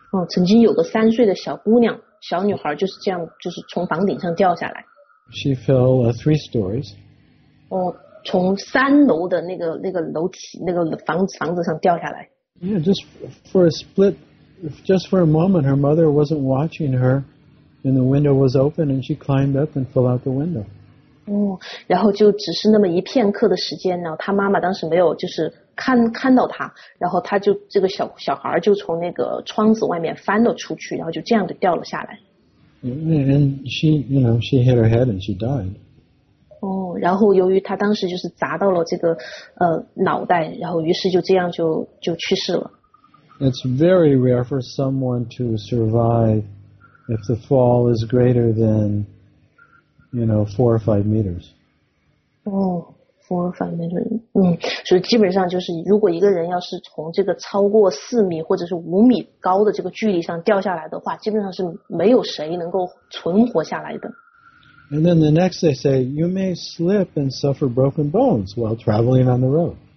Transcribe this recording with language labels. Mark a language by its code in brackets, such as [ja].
[zh] 曾经有个3岁的小姑娘，小女孩就是这样，就是从房顶上掉下来。 [en] She fell three stories. [zh] 从3楼的那个楼梯那个房子上掉下来。 [en] Yeah, just for a moment, her mother wasn't watching her, and the window was open, and she climbed up and fell out the window. [zh] 然后就只是那么一片刻的时间，然后她妈妈当时没有就是看到她，然后她就这个小孩就从那个窗子外面翻了出去，然后就这样的掉了下来。 [en] And she, you know, she hit her head and she died. [zh] 然后由于他当时就是砸到了这个脑袋，然后于是就这样就去世了。 [en] It's very rare for someone to survive if the fall is greater than, you know, 4 or 5 meters. 4 or 5 meters. [zh] 所以基本上就是如果一个人要是从这个超过4米或者是5米高的这个距离上掉下来的话，基本上是没有谁能够存活下来的。 [en] And then the next they say, you may slip and suffer broken bones while traveling on the road.